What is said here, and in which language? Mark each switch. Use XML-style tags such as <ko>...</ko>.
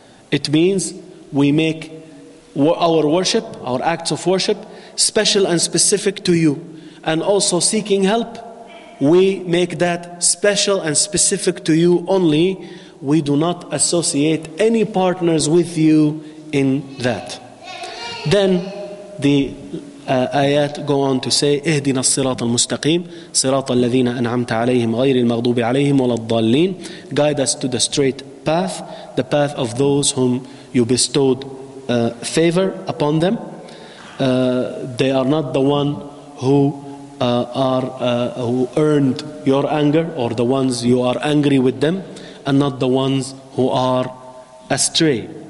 <en>It means we make our worship, our acts of worship, special and specific to you. And also seeking help, we make that special and specific to you only. We do not associate any partners with you in that. Then the ayat go on to say,</en> <ar>اهدنا الصراط المستقيم صراط الذين أنعمت عليهم غير المغضوب عليهم ولا الضالين.</ar> <en>Guide us to the straight path, the path of those whom you bestowed favor upon them. They are not the one who earned your anger, or the ones you are angry with them, and not the ones who are astray.</en>